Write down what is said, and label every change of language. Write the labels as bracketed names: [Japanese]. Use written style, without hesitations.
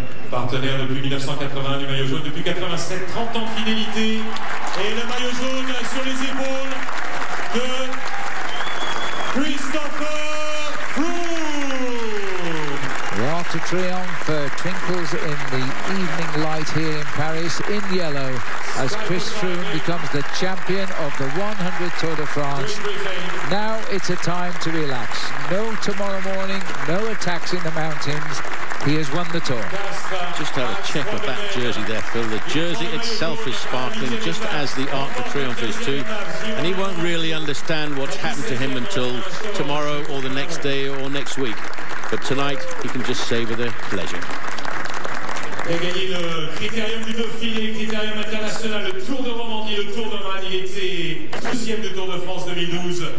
[French] Partenaire depuis 1980 du maillot jaune, depuis 87, 30 ans de fidélité et le maillot jaune sur les épaules de Christopher Froome. [English] Walk to triumph twinkles in the evening light here in Paris in yellow as Chris Froome becomes the champion of the 100th Tour de France. Now it's a time to relax. No tomorrow morning, no attacks in the mountains. He has won the tour. Just had a check of that jersey there, Phil. The jersey itself is sparkling, just as the Arc de Triomphe is too. And he won't really understand what's happened to him until tomorrow or the next day or next week. But tonight, he can just savour the pleasure. [French] Il a gagné le Critérium du Dauphiné, le Critérium international, le Tour de Romandie, le Tour de Man. Il était 12e du Tour de France 2012.